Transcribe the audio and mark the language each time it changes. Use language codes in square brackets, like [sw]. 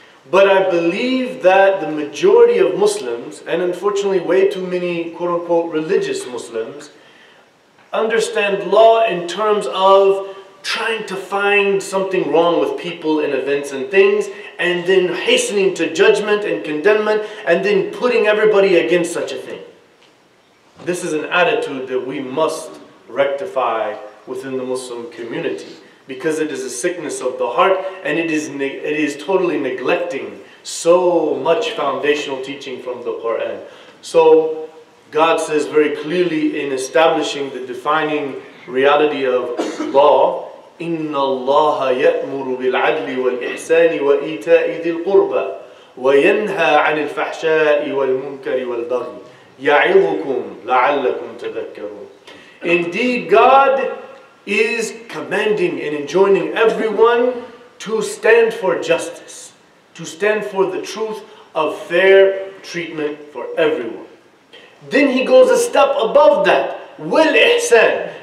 [en] But I believe that the majority of Muslims, and unfortunately way too many quote-unquote religious Muslims, understand law in terms of trying to find something wrong with people and events and things, and then hastening to judgment and condemnment, and then putting everybody against such a thing. This is an attitude that we must rectify within the Muslim community, because it is a sickness of the heart, and it is totally neglecting so much foundational teaching from the Quran. [ar] So God says very clearly in establishing the defining reality of law, إِنَّ اللَّهَ يَأْمُرُ بِالْعَدْلِ وَالْإِحْسَانِ وَإِيتَاءِ ذِي الْقُرْبَى وَيَنْهَى عَنِ الْفَحْشَاءِ وَالْمُنْكَرِ وَالْبَغْيِ يَعِظُكُمْ لَعَلَّكُمْ تَذَكَّرُونَ. [en] Indeed, God is commanding and enjoining everyone to stand for justice, to stand for the truth of fair treatment for everyone. Then he goes a step above that. Wal ihsan.